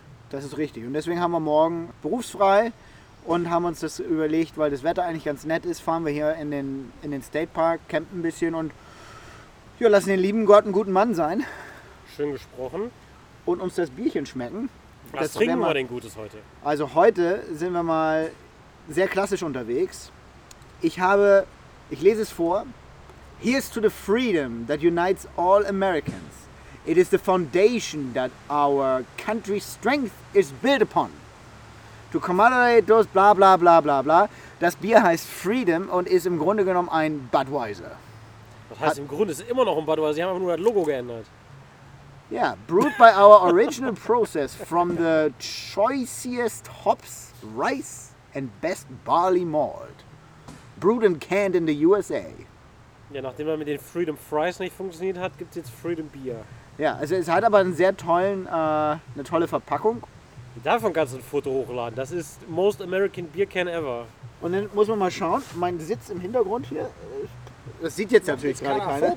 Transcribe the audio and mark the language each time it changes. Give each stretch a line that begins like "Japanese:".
German: Das ist richtig. Und deswegen haben wir morgen berufsfrei und haben uns das überlegt, weil das Wetter eigentlich ganz nett ist, fahren wir hier in den State Park, campen ein bisschen und ja, lassen den lieben Gott einen guten Mann sein. Schön gesprochen. Und uns das Bierchen schmecken. Was trinken wir denn Gutes heute? Also heute sind wir mal sehr klassisch unterwegs. Ich lese es vor.
English: Here's to the freedom that unites all Americans. It is the foundation that our country's strength is built upon. To commemorate those bla bla bla bla bla.
German: Das Bier heißt Freedom und ist im Grunde genommen ein Budweiser. Das heißt im Grunde, es ist immer noch ein Budweiser. Sie haben einfach nur das Logo geändert.
English: Ja, yeah, brewed by our original process from the choicest hops, rice and best barley malt. Brewed and canned in the USA.
German: Ja, nachdem man mit den Freedom Fries nicht funktioniert hat, gibt es jetzt Freedom Bier. Ja, also es hat aber einen sehr tollen, eine tolle Verpackung. Davon kannst du ein Foto hochladen. Das ist
English: most American beer can ever.
German: Und dann muss man mal schauen, mein Sitz im Hintergrund hier. Das sieht jetzt natürlich gerade keiner.